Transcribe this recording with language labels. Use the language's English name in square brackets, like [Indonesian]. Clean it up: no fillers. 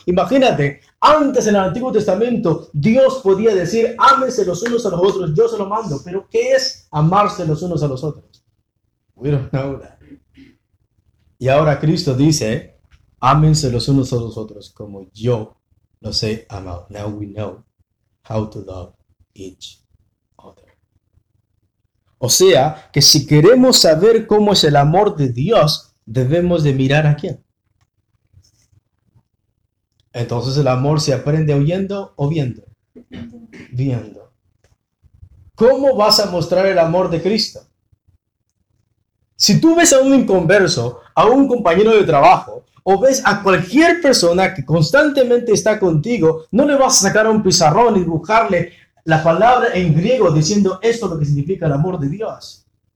[Spanish] Imagínate, antes en el Antiguo Testamento, Dios podía decir, ámense los unos a los otros, yo se lo mando. ¿Pero qué es amarse los unos a los otros? Y ahora Cristo dice, ámense los unos a los otros como yo los he amado. [English] Now we know how to love each other. [Spanish] O sea, que si queremos saber cómo es el amor de Dios, debemos de mirar a quién. Entonces, ¿el amor se aprende oyendo o viendo? Viendo. ¿Cómo vas a mostrar el amor de Cristo? Si tú ves a un inconverso, a un compañero de trabajo, o ves a cualquier persona que constantemente está contigo, no le vas a sacar un pizarrón y dibujarle la palabra en griego diciendo esto es lo que significa el amor de Dios.